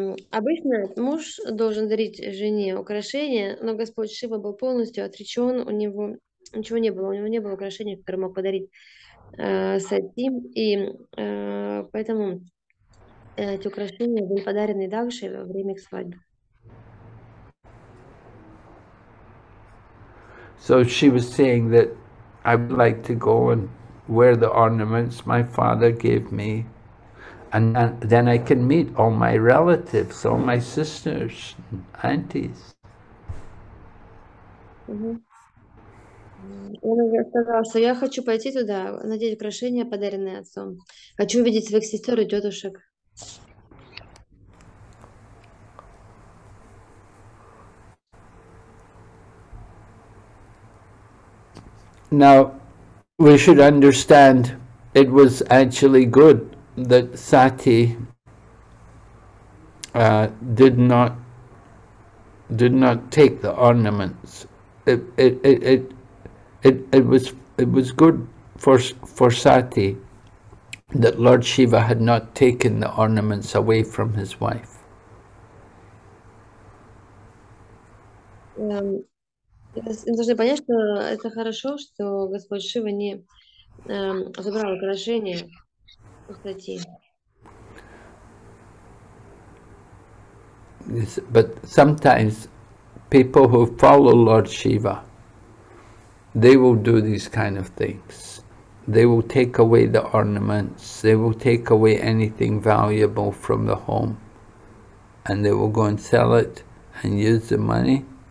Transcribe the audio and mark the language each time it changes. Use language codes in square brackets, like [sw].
[ru] Обычно муж должен дарить жене украшения, но Господь Шива был полностью отречен, у него ничего не было, у него не было украшения, которое мог подарить Сати, и поэтому эти украшения были подарены Дакше во время их свадьбы. [en] So she was saying that I would like to go and wear the ornaments my father gave me, and then I can meet all my relatives, all my sisters, aunties. [ru] Он сказал, что я хочу пойти туда, надеть украшения, подаренные отцом. Хочу увидеть своих сестер и тетушек. [en] Now, we should understand it was actually good that Sati did not take the ornaments. It was good for Sati that Lord Shiva had not taken the ornaments away from his wife. [ru] Вы должны понять, что это хорошо, что Господь Шива не забрал украшения у статьи. [en] But sometimes people who follow Lord Shiva, they will do these kind of things. They will take away the ornaments, they will take away anything valuable from the home, and they will go and sell it and use the money.